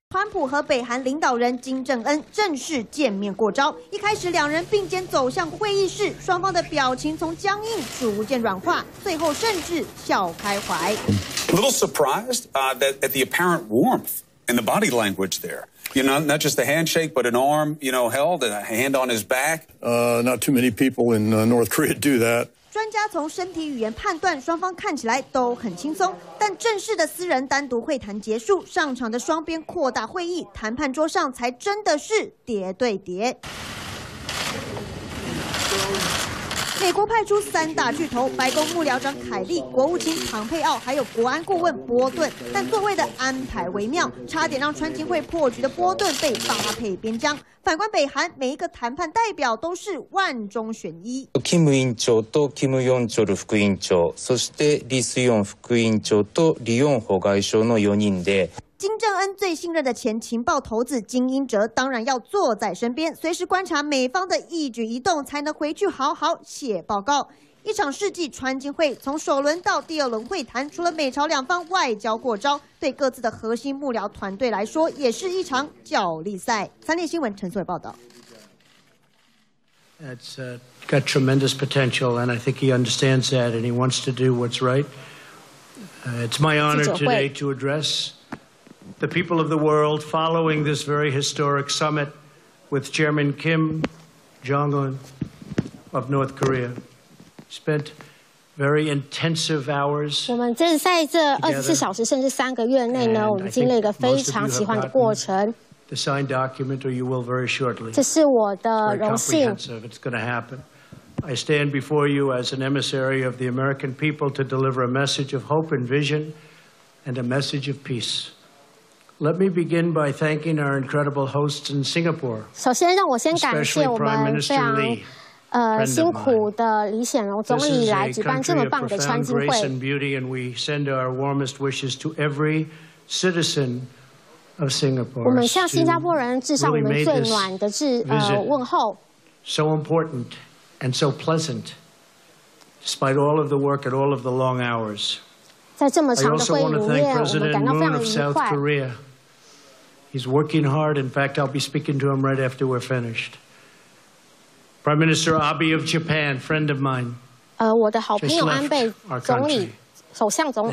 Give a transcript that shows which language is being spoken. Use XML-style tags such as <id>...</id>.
<zh>普和北韩领导人金正恩正式见面过招。一开始两人并肩走向会议室，双方的表情从僵硬逐渐软化，最后甚至笑开怀。</zh> <en>A little surprised at the apparent warmth in the body language there. You know, not just the handshake, but an arm, you know, held and a hand on his back. Not too many people in North Korea do that.</en> <zh>专家从身体语言判断，双方看起来都很轻松。但正式的私人单独会谈结束，上场的双边扩大会议，谈判桌上才真的是叠对叠。美国派出三大巨头，白宫幕僚长凯利、国务卿庞佩奥，还有国安顾问波顿，但座位的安排微妙，差点让川金会破局的波顿被发配边疆。反观北韩，每一个谈判代表都是万中选一。</zh> <ja>金委員長と金永哲副委員長、そしてリスヨン副委員長と李永浩外相の4人で。</ja> <zh>金正恩最信任的前情报头子金英哲当然要坐在身边，随时观察美方的一举一动，才能回去好好写报告。一场世纪川金会，从首轮到第二轮会谈，除了美朝两方外交过招，对各自的核心幕僚团队来说，也是一场角力赛。三立新闻陈素伟报道。</zh> <en>It's got tremendous potential, and I think he understands that, and he wants to do what's right. It's my honor today to address. The people of the world following this very historic summit with Chairman Kim Jong-un of North Korea spent very intensive hours.</en> <zh>我们正在这24小时甚至3个月内呢，我们经历一个非常奇幻的过程。</zh> <en>The signed document, or you will very shortly.</en> <zh>这是我的荣幸。</zh> <en>It's going to happen. I stand before you as an emissary of the American people to deliver a message of hope and vision, and a message of peace. Let me begin by thanking our incredible hosts in Singapore.</en> <zh>首先，让我先感谢我们非常辛苦的李显龙总理来举办这么棒的川金会。</zh> <en>This is a country of profound grace and beauty, and we send our warmest wishes to every citizen of Singapore.</en> <zh>我们向新加坡人致上我们最暖的问候。</zh> <en>So important and so pleasant, despite all of the work and all of the long hours.</en> <zh>在这么长的会议里面，我们感到非常愉快。</zh> <en>I also want to thank President Moon of South Korea. He's working hard. In fact, I'll be speaking to him right after we're finished. Prime Minister Abe of Japan, friend of mine.</en> <zh>我的好朋友安倍总理，首相总理。</zh>